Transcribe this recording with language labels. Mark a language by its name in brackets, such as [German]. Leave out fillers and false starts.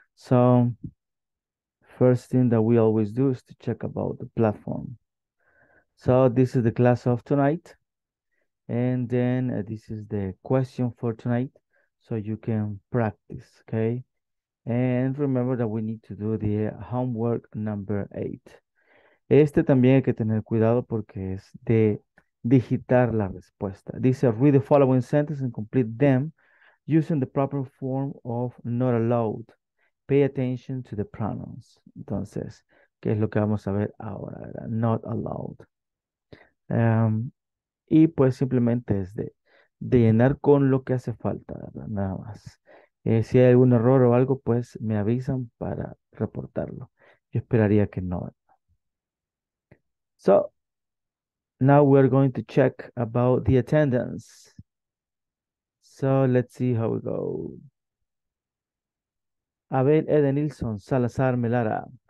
[English] So, first thing that we always do is to check about the platform. So, this is the class of tonight. And then this is the question for tonight so you can practice, okay? And remember that we need to do the homework number 8. [Spanish] Este también hay que tener cuidado porque es de digitar la respuesta. Dice, [English] read the following sentence and complete them using the proper form of not allowed. Pay attention to the pronouns. [Spanish] Entonces, ¿qué es lo que vamos a ver ahora? ¿Verdad? [English] Not allowed. [Spanish] Y pues simplemente es de llenar con lo que hace falta, ¿verdad? Nada más. Si hay algún error o algo, pues me avisan para reportarlo. Yo esperaría que no. [English] So, now we're going to check about the attendance. So, let's see how we go. Abel Edenilson Salazar Melara.